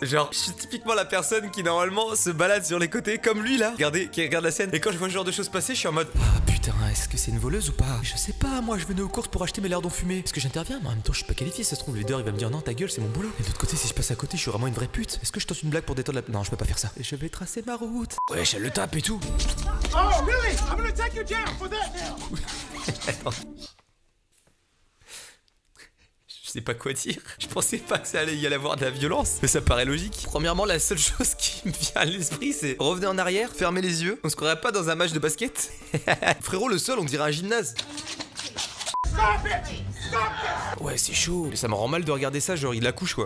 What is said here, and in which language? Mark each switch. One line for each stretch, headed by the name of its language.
French: Genre, je suis typiquement la personne qui normalement se balade sur les côtés comme lui là. Regardez, qui regarde la scène. Et quand je vois ce genre de choses passer, je suis en mode... Ah putain, est-ce que c'est une voleuse ou pas? Je sais pas, moi je venais aux courses pour acheter mes lardons fumés. Est-ce que j'interviens? Mais en même temps, je suis pas qualifié, ça se trouve. Le leader, il va me dire non, ta gueule, c'est mon boulot. Et de l'autre côté, si je passe à côté, je suis vraiment une vraie pute. Est-ce que je tente une blague pour détendre la... Non, je peux pas faire ça. Je vais tracer ma route. Ouais, je le tape et tout.
English: Oh, really? I'm gonna take your jam for that now.
French: Je sais pas quoi dire. Je pensais pas que ça allait y avoir de la violence. Mais ça paraît logique. Premièrement, la seule chose qui me vient à l'esprit, c'est revenir en arrière, fermer les yeux. On se croirait pas dans un match de basket. Frérot, le sol, on dirait un gymnase.
English: Stop it!
French: Ouais, c'est chaud, mais ça me rend mal de regarder ça, genre il la couche quoi.